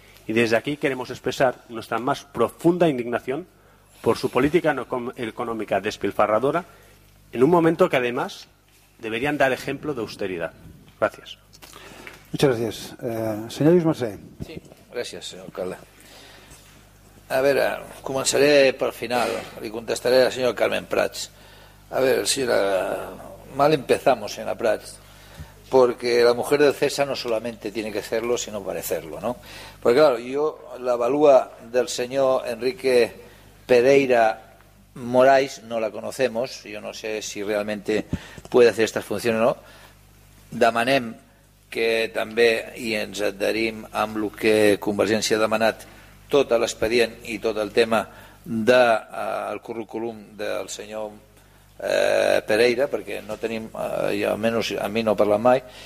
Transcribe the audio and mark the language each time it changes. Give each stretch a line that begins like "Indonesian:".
Spanish: Y desde aquí queremos expresar nuestra más profunda indignación por su política económica despilfarradora, en un momento que además deberían dar ejemplo de austeridad. Gracias. Muchas gracias. Señor Lluís Mercè. Sí, gracias, señor alcalde.
Catalan: A veure, començaré pel final. Li contestaré al senyor Carmen Prats.
Spanish: A veure, señora, mal empezamos, señora Prats, porque la mujer del César no solamente tiene que serlo, sino parecerlo, ¿no? Porque, claro, yo la avalúa del señor Enrique Pereira Moraes, no la conocemos, yo no sé si realmente puede hacer estas funciones o no.
Catalan: Demanem que també, i ens adherim amb el que Convergència ha demanat, tot l'expedient i tot el tema del currículum del senyor Pereira, perquè no tenim, i almenys a mi no parla mai.